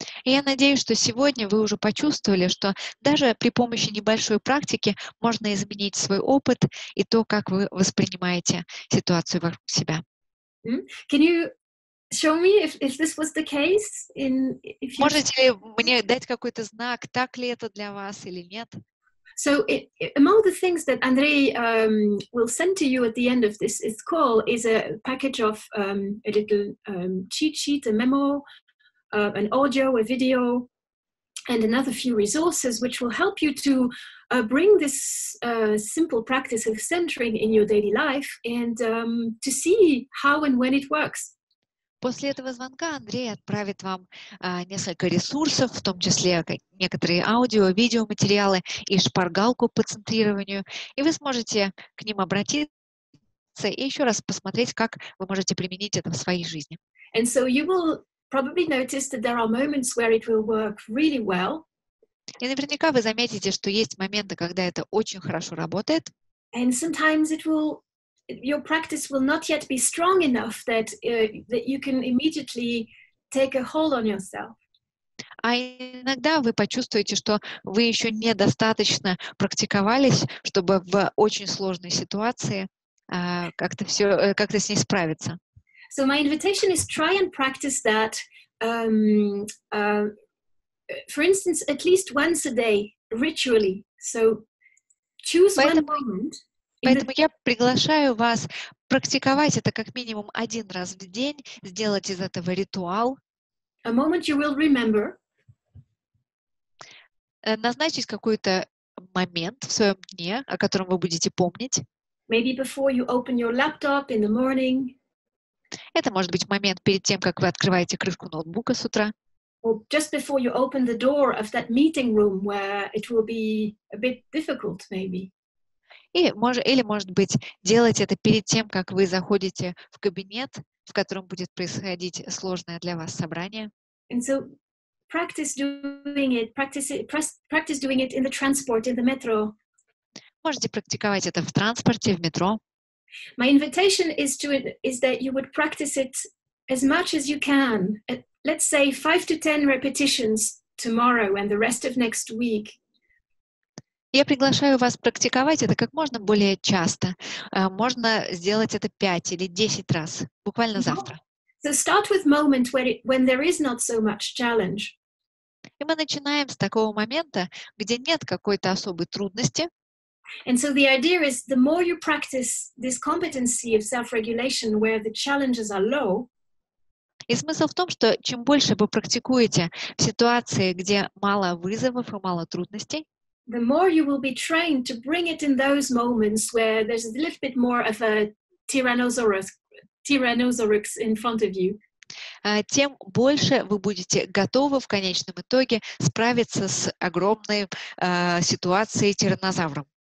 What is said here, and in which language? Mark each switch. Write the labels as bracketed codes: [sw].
[ru] Я надеюсь, что сегодня вы уже почувствовали, что даже при помощи небольшой практики можно изменить свой опыт и то, как вы воспринимаете ситуацию вокруг себя. [en] Can you show me if this was the case? [ru] Можете ли мне дать какой-то знак, так ли это для вас или нет? [en] So among the things that Андрей will send to you at the end of this call is a package of a little cheat sheet, a memo, an audio, a video, and another few resources which will help you to bring this simple practice of centering in your daily life and to see how and when it works. [ru] После этого звонка Андрей отправит вам несколько ресурсов, в том числе некоторые аудио, видеоматериалы и шпаргалку по центрированию, и вы сможете к ним обратиться и еще раз посмотреть, как вы можете применить это в своей жизни. [en] And so you will probably notice that there are moments where it will work really well. [ru] И наверняка вы заметите, что есть моменты, когда это очень хорошо работает. [en] And sometimes it will... Your practice will not yet be strong enough that you can immediately take a hold on yourself. [ru] А иногда вы почувствуете, что вы еще недостаточно практиковались, чтобы в очень сложной ситуации как-то с ней справиться. [en] So my invitation is try and practice that, for instance, at least once a day, ritually. So choose one moment. [ru] Поэтому я приглашаю вас практиковать это как минимум один раз в день, сделать из этого ритуал. [en] A moment you will remember. [ru] Назначить какой-то момент в своем дне, о котором вы будете помнить. [en] Maybe before you open your laptop in the morning. [ru] Это может быть момент перед тем, как вы открываете крышку ноутбука с утра. [en] Or just before you open the door of that meeting room where it will be a bit difficult, maybe. [ru] Или, может быть, делать это перед тем, как вы заходите в кабинет, в котором будет происходить сложное для вас собрание. [en] And so practice doing it in the transport, in the metro. [ru] Можете практиковать это в транспорте, в метро. [en] My invitation is that you would practice it as much as you can. Let's say 5 to 10 repetitions tomorrow and the rest of next week. [ru] Я приглашаю вас практиковать это как можно более часто. Можно сделать это 5 или 10 раз, буквально завтра. [en] So start with moment when there is not so much challenge. [ru] И мы начинаем с такого момента, где нет какой-то особой трудности. [en] And so the idea is, the more you practice this competency of self-regulation where the challenges are low, [ru] и смысл в том, что чем больше вы практикуете в ситуации, где мало вызовов и мало трудностей, [en] the more you will be trained to bring it in those moments where there's a little bit more of a Tyrannosaurus tyrannosaurus in front of you, [ru] тем больше вы будете готовы в конечном итоге справиться с огромной ситуацией тираннозавром.